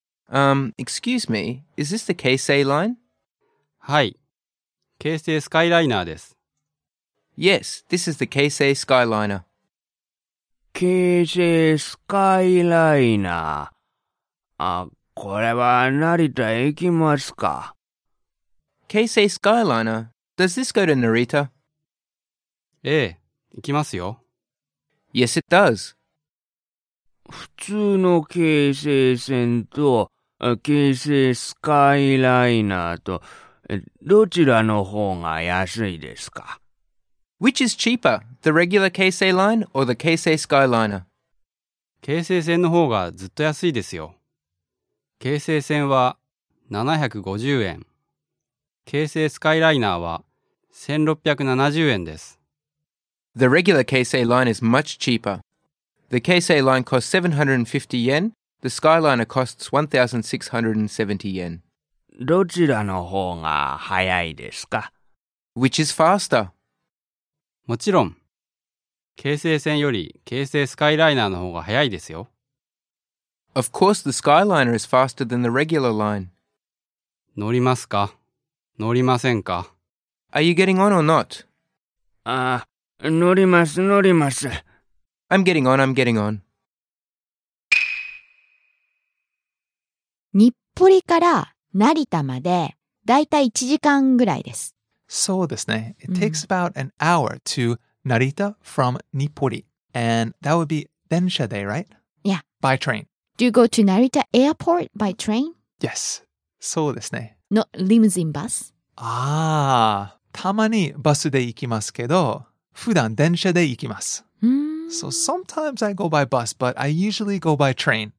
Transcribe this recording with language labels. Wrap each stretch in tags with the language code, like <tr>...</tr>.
<en>Excuse me, is this the Keisei line?</en> <ja>はい、京成スカイライナーです。</ja> <en>Yes, this is the Keisei Skyliner.</en> <ja>京成スカイライナー。あ、これは成田行きますか？</ja> <en>Keisei Skyliner, does this go to Narita?</en> <ja>ええ、行きますよ。</ja> <en>Yes, it does.</en> <ja>普通の京成線と京成スカイライナーとどちらの方が安いですか？</ja> <en>Which is cheaper, the regular Keisei line or the Keisei Skyliner?</en> <ja>京成線の方がずっと安いですよ。京成線は750円。京成スカイライナーは1670円です。</ja> <en>The regular Keisei line is much cheaper. The Keisei line costs 750 yen. The Skyliner costs 1670 yen.</en> <ja>どちらの方が早いですか?</ja> <en>Which is faster?</en> <ja>もちろん、京成線より京成スカイライナーの方が早いですよ。</ja> <en>Of course, the Skyliner is faster than the regular line.</en> <ja>乗りますか?乗りませんか?</ja> <en>Are you getting on or not?</en> <ja>ああ、乗ります、乗ります。</ja> <en>I'm getting on, I'm getting on.</en> <ja>日暮里から成田までだいたい1時間ぐらいです。そうですね。</ja> <en>It takes about an hour to Narita from Nippori. And that would be</en> <ja>電車で,</ja> <en>right? Yeah. By train. Do you go to Narita Airport by train? Yes.</en> <ja>そうですね。</ja> <en>Not limousine bus?</en> <ja>Ah, たまにバスで行きますけど、普段電車で行きます。</ja> <en>So sometimes I go by bus, but I usually go by train.</en>